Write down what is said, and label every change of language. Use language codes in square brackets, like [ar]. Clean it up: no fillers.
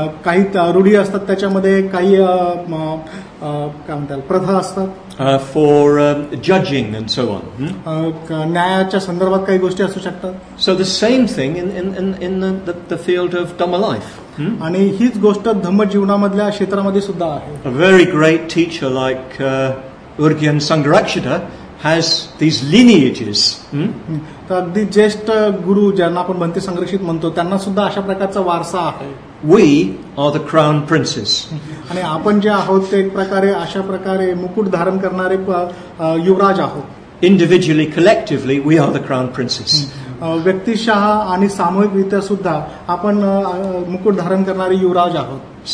[mr] काही रूढी असतात त्याच्यामध्ये काही काय म्हणतात प्रथा असतात [en] for judging and so on [mr] न्यायाच्या संदर्भात काही गोष्टी असू शकतात [en] so the same thing in the field of dhamma life [mr] आणि हीच गोष्ट धम्म जीवनामधल्या क्षेत्रामध्ये सुद्धा आहे [en] a very great teacher like Urgyen Sangharakshita has these lineages [mr] तर अगदी ज्येष्ठ गुरु ज्यांना आपण भंती संरक्षित म्हणतो त्यांना सुद्धा अशा प्रकारचा वारसा आहे [en] we are the crown princes [mr] आणि आपण जे आहोत ते एक प्रकारे अशा प्रकारे मुकुट धारण करणारे युवराज आहोत [en] individually collectively we are the crown princes [mr] व्यक्तिशः आणि सामूहिक रीत्या सुद्धा आपण मुकुट धारण करणारे युवराज आहोत